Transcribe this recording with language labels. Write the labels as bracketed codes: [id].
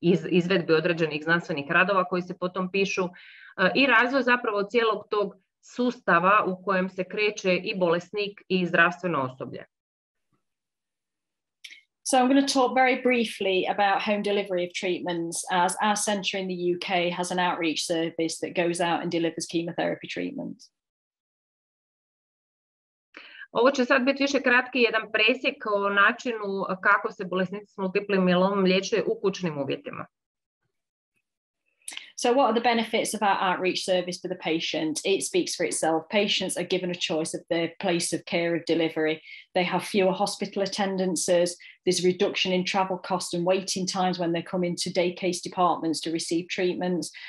[hr] izvedbi određenih znanstvenih radova koji se potom pišu, i razvoj zapravo cijelog tog sustava u kojem se kreće i bolesnik i zdravstveno osoblje. [en] So I'm going to talk very briefly about home delivery of treatments, as our centre in the UK has an outreach service that goes out and delivers chemotherapy treatment. [hr] Ovo će sad biti više kratki jedan presjek o načinu kako se bolesnici s multiplim mielomom liječe u kućnim uvjetima. [en] So what are the benefits of our outreach service for the patient? It speaks for itself. Patients are given a choice of their place of care of delivery. They have fewer hospital attendances. There's a reduction in travel costs and waiting times when they come into day case departments to receive treatments.